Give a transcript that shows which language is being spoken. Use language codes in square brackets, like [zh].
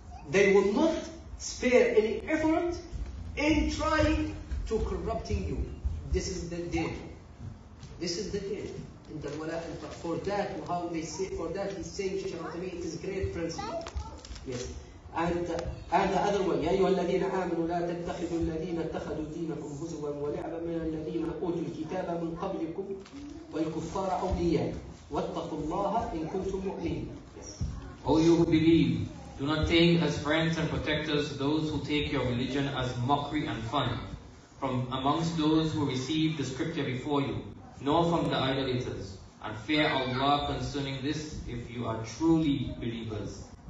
[en] They will not spare any effort in trying to corrupting you. This is the danger. This is the danger. For that, how they say, for that, he's saying, Shaykh Al-Uthaymeen, it is a great principle. Yes. And the other one, [ar] يَا أَيُّهَا الَّذِينَ آمَنُوا لَا تَتَّخِذُوا الَّذِينَ اتَّخَذُوا دِينَكُمْ هُزُوًا وَلَعْبًا مِنَ الَّذِينَ أُوتُوا الْكِتَابَ مِنْ قَبْلِكُمْ وَالْكُفَّارَ أَوْلِيَاءَ وَاتَّقُوا اللَّهَ إِن كُنْتُمْ مُؤْمِنِينَ. [en] O you who believe, do not take as friends and protectors those who take your religion as mockery and fun from amongst those who receive the scripture before you, nor from the idolaters, and fear Allah concerning this if you are truly believers.